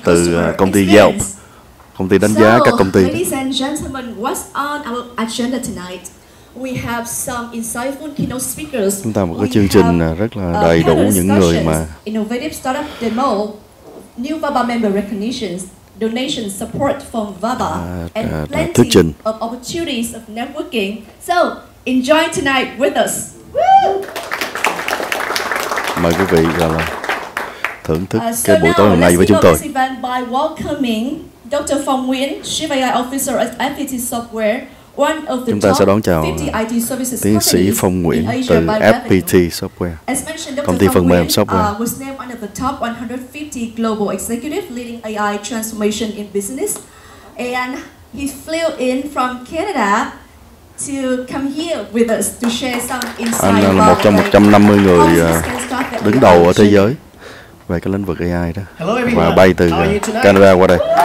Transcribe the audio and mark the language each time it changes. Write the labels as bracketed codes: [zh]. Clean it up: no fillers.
[vi] từ công ty Yelp, công ty đánh giá các công ty. [en] Ladies and gentlemen, what's on our agenda tonight? We have some insightful keynote speakers. [vi] Chúng ta một cái chương trình rất là đầy đủ những người mà [en] innovative startup demo, new Baba member recognitions, donation support from Baba, and plenty of opportunities of networking. So enjoy tonight with us. [vi] Mời quý vị là thưởng thức cái buổi tối hôm nay với chúng tôi. [en] This event by welcoming Dr. Phong Nguyễn, Chief AI Officer at FPT Software. [vi] Chúng ta sẽ đón chào tiến sĩ Phong Nguyễn từ FPT Software, công ty phần mềm software. [en] Was named one of the top 150 global executives leading AI transformation in business, and he flew in from Canada to come here with us to share some insight. [vi] Anh là một trong 150 người đứng đầu ở thế giới về cái lĩnh vực AI đó, và bay từ Canada qua đây.